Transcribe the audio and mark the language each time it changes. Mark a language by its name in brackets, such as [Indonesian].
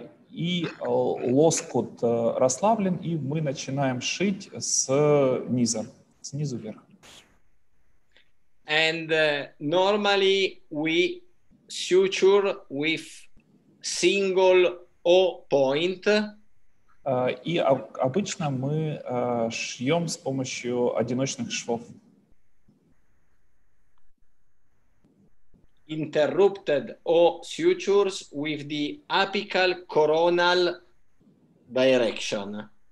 [Russian] И лоскут расслаблен, и мы начинаем шить с низа, снизу вверх. [English] And normally we suture with single O point. [Russian] И обычно мы шьем с помощью одиночных швов. [English] Interrupted O sutures with the apical coronal direction.